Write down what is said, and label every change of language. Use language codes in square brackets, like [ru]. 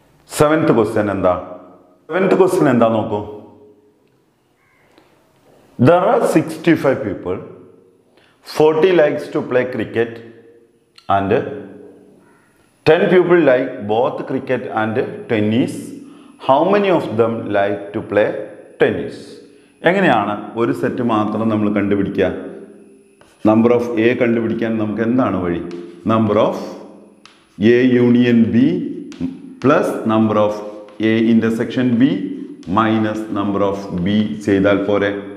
[ml] Seventh question എന്താ? Seventh question എന്താ നോക്കൂ. [en] There are 65 people, 40 likes to play cricket and 10 people like both cricket and tennis. how many of them like to play tennis? [ml] എങ്ങനെയാണ് ഒരു set മാത്രം നമ്മൾ കണ്ടുപിടിക്കുക? Number of A കണ്ടുപിടിക്കാൻ നമുക്ക് എന്താണ് വഴി? [en] number of A union B plus number of A intersection B minus number of B [ml] ചെയ്താൽ പോരെ.